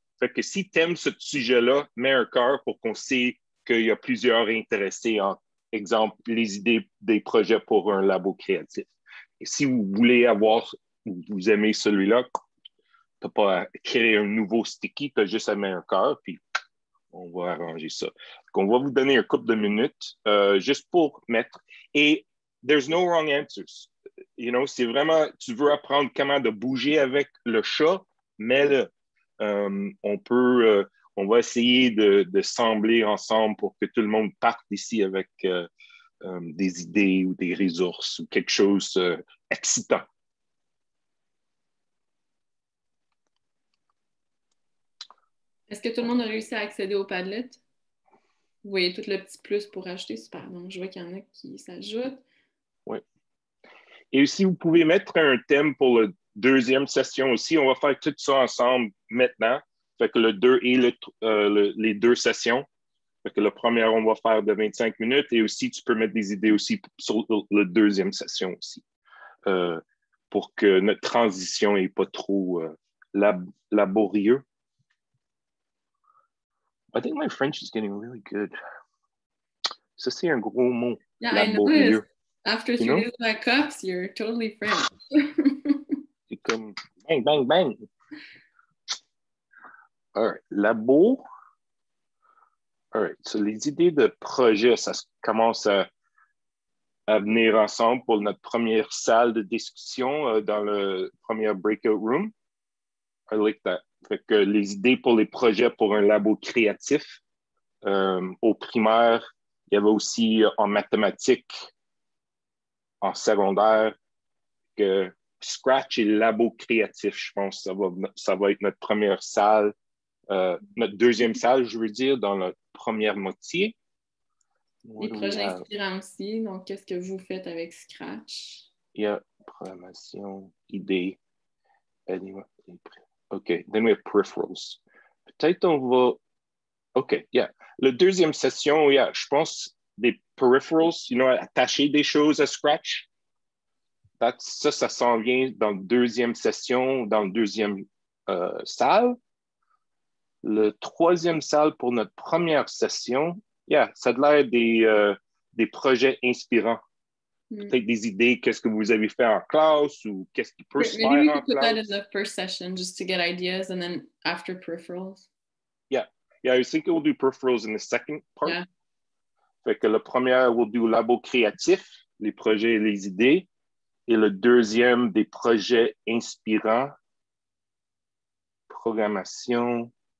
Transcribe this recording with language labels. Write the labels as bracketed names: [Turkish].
[French] Fait que si tu aimes ce sujet-là, mets un cœur pour qu'on sait qu'il y a plusieurs intéressés en, exemple, les idées des projets pour un labo créatif. Et si vous voulez avoir... vous aimez celui-là, tu n'as pas à créer un nouveau sticky, tu as juste à mettre un cœur, puis on va arranger ça. Donc, on va vous donner un couple de minutes juste pour mettre. [English] Et there's no wrong answers. You know, [French] c'est vraiment, tu veux apprendre comment de bouger avec le chat, mais là, on va essayer de sembler ensemble pour que tout le monde parte d'ici avec des idées ou des ressources ou quelque chose excitant. Est-ce que tout le monde a réussi à accéder au Padlet? Vous voyez tout le petit plus pour ajouter, super. Donc, je vois qu'il y en a qui s'ajoutent. Oui. Et aussi, vous pouvez mettre un thème pour la deuxième session aussi. On va faire tout ça ensemble maintenant. Fait que le 2 et les deux sessions. Fait que la première, on va faire de 25 minutes. Et aussi, tu peux mettre des idées aussi sur la deuxième session aussi. Pour que notre transition n'est pas trop laborieuse. [English] I think my French is getting really good. [French] Ça, c'est un gros mot. [English] Yeah, laborieux. I noticed. After three days of my cups, you're totally French. [French] C'est comme bang, bang, bang. [English] All right, [French] labo. [English] All right, so [French] les idées de projet, ça commence à venir ensemble pour notre première salle de discussion dans le premier breakout room. [English] I like that. [French] Fait que les idées pour les projets pour un labo créatif. Au primaire, il y avait aussi en mathématiques, en secondaire, que Scratch et le labo créatif, je pense, ça va être notre première salle, notre deuxième salle, je veux dire, dans la première moitié. Les projets inspirants aussi, donc qu'est-ce que vous faites avec Scratch? Il y a programmation, idées, animation. [English] OK, then we have peripherals. [French] Peut-être on va... [English] OK, yeah. [French] La deuxième session, yeah, je pense, des peripherals, [English] you know, [French] attacher des choses à Scratch. Ça s'en vient dans la deuxième session, dans la deuxième salle. La troisième salle pour notre première session, yeah, ça a l'air des projets inspirants. Peut-être des idées, qu'est-ce que vous avez fait en classe ou qu'est-ce qui peut se faire en classe. [English] Maybe we could put that in the first session just to get ideas and then after peripherals. Yeah, I think we'll do peripherals in the second part. Yeah. [French] Fait que le premier, [English] we'll do [French] labo créatif, les projets et les idées. Et le deuxième, des projets inspirants, programmation,